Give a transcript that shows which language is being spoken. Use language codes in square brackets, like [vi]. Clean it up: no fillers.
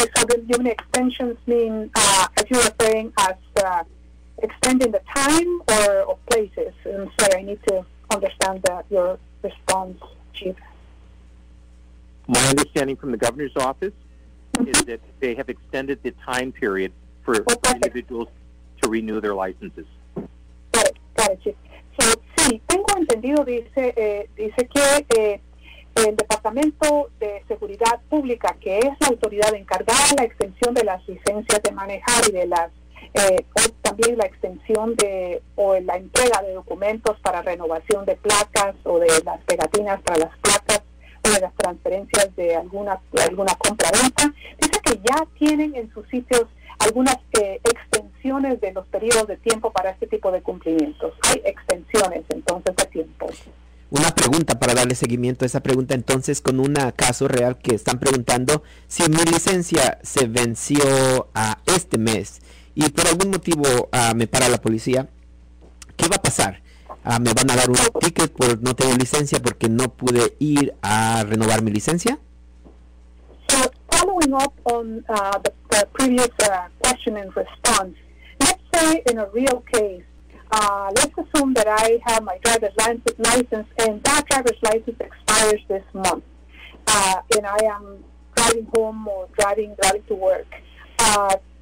[en] Renewing extensions mean, as you were saying, as extending the time or places. And sorry, I need to understand that your response, Chief. My understanding from the governor's office is that they have extended the time period for individuals to renew their licenses. Got it, Chief. [es] So, sí, tengo entendido, dice que el Departamento de Seguridad Pública, que es la autoridad encargada de la extensión de las licencias de manejar y de las también la extensión de o la entrega de documentos para renovación de placas o de las pegatinas para las placas o de las transferencias de alguna compra-venta, dice que ya tienen en sus sitios algunas extensiones de los periodos de tiempo para este tipo de cumplimientos. Hay extensiones, entonces, de tiempo. Una pregunta para darle seguimiento a esa pregunta. Entonces, con un caso real que están preguntando, si mi licencia se venció este mes y por algún motivo me para la policía, ¿qué va a pasar? ¿Me van a dar un ticket por no tener licencia porque no pude ir a renovar mi licencia? [en] So, following up on the previous question and response, let's say in a real case, let's assume that I have my driver's license and that driver's license expires this month, and I am driving home or driving to work.